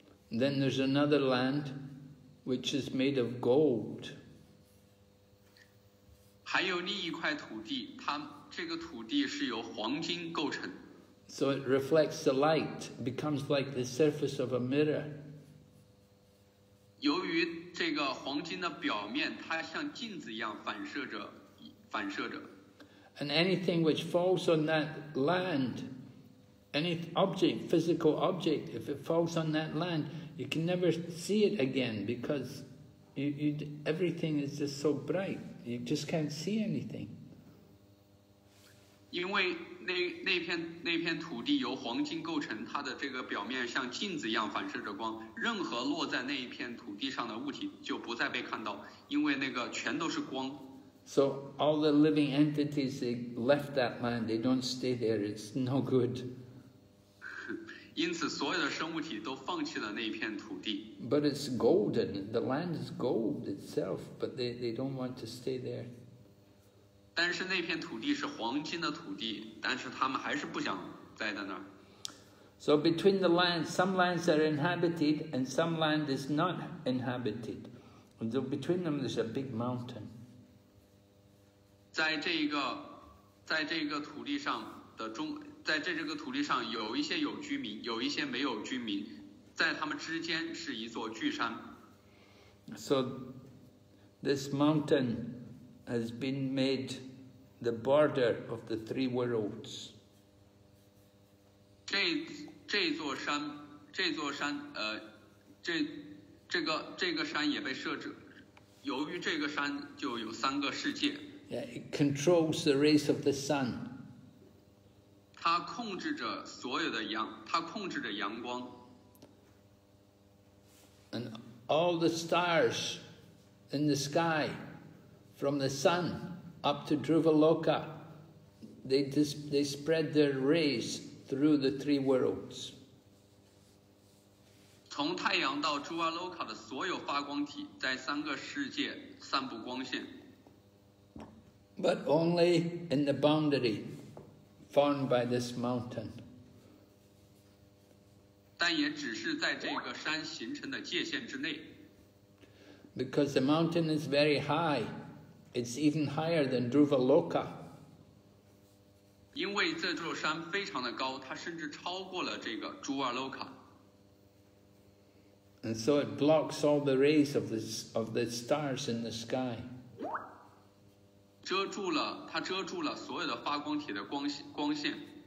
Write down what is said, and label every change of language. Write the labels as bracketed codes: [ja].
[en] Then there's another land which is made of gold. [zh] 还有另一块土地，它这个土地是由黄金构成。 [en] So it reflects the light, becomes like the surface of a mirror. [zh] 由于这个黄金的表面，它像镜子一样反射着，反射着。 [en] And anything which falls on that land, any object, physical object, if it falls on that land, you can never see it again because everything is just so bright. You just can't see anything. [zh] 因为那片土地由黄金构成，它的这个表面像镜子一样反射着光，任何落在那一片土地上的物体就不再被看到，因为那个全都是光。 [en] So all the living entities, they left that land, they don't stay there, it's no good. [zh] 因此所有的生物体都放弃了那片土地。 [en] But it's golden, the land is gold itself, but they don't want to stay there. [zh] 但是那片土地是黄金的土地，但是他们还是不想待在那儿。 [en] So between the lands, some lands are inhabited and some land is not inhabited. So between them there's a big mountain. [zh] 在这个土地上的中，在这个土地上有一些有居民，有一些没有居民，在他们之间是一座巨山。 [en] So this mountain has been made the border of the three worlds. [zh] 这座山山也被设置，由于这个山就有三个世界。 [en] Yeah, it controls the rays of the sun. [zh] 它控制着所有的阳，它控制着阳光。 [en] And all the stars in the sky, from the sun up to Dhruvaloka, they spread their rays through the three worlds. [zh] 从太阳到朱瓦洛卡的所有发光体在三个世界散布光线。 [en] But only in the boundary formed by this mountain. [zh] 但也只是在这个山形成的界限之内。 [en] Because the mountain is very high, it's even higher than Dhruvaloka. [zh] 因为这座山非常的高，它甚至超过了这个朱瓦洛卡。 [en] And so it blocks all the rays of the stars in the sky. [zh] 遮住了所有的发光体的光线。